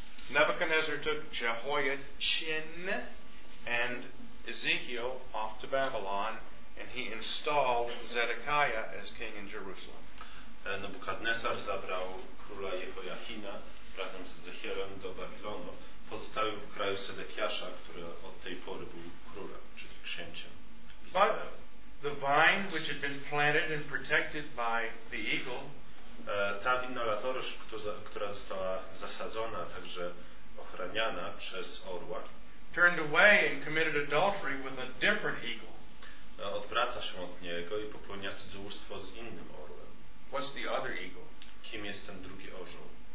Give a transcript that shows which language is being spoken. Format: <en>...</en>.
<en>Nebuchadnezzar took Jehoiachin and Ezekiel off to Babylon, and he installed Zedekiah as king in Jerusalem.</en> <pl>Nebuchadnezzar zabrał króla Jehoiachina razem z Ezechielem do Babilonu, pozostały w kraju Zedekiasza, który od tej pory był królem, czyli księciem.</pl> <en>But the vine which had been planted and protected by the eagle,</en> <pl>ta winna latorosz, która została zasadzona, także ochraniana przez orła,</pl> <en>turned away and committed adultery with a different eagle.</en> <pl>Odwraca się od niego i popełnia cudzołóstwo z innym orłem.</pl> <en>What's the other eagle?</en> <pl>Kim jest ten drugi orzeł?</pl>